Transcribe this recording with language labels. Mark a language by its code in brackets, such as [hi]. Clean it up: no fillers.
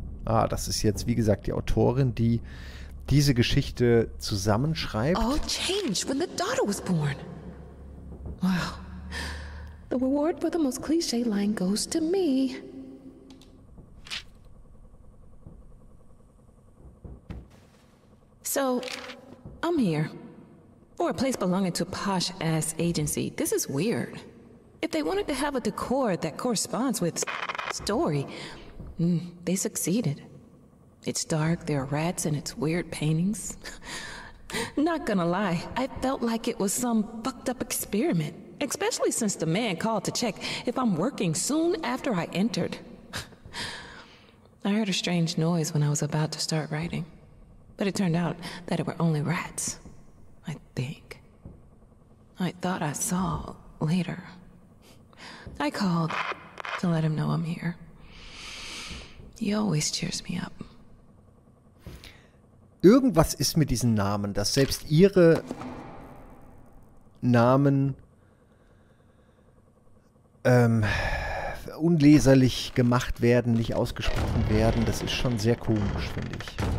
[de] Ah, das ist jetzt, wie gesagt, die Autorin, die diese Geschichte zusammenschreibt. [en] All changed when the daughter was born. Wow. The reward for the most cliche line goes to me. So, I'm here. For a place belonging to a posh-ass agency, this is weird. If they wanted to have a decor that corresponds with story, they succeeded. It's dark, there are rats, and it's weird paintings. Not gonna lie, I felt like it was some fucked up experiment. Especially since the man called to check if I'm working soon after I entered. I heard a strange noise when I was about to start writing. But it turned out that it were only rats. I think. I thought I saw later. I called to let him know I'm here. He always cheers me up. [de] Irgendwas ist mit diesen Namen, dass selbst ihre Namen unleserlich gemacht werden, nicht ausgesprochen werden. Das ist schon sehr komisch, finde ich.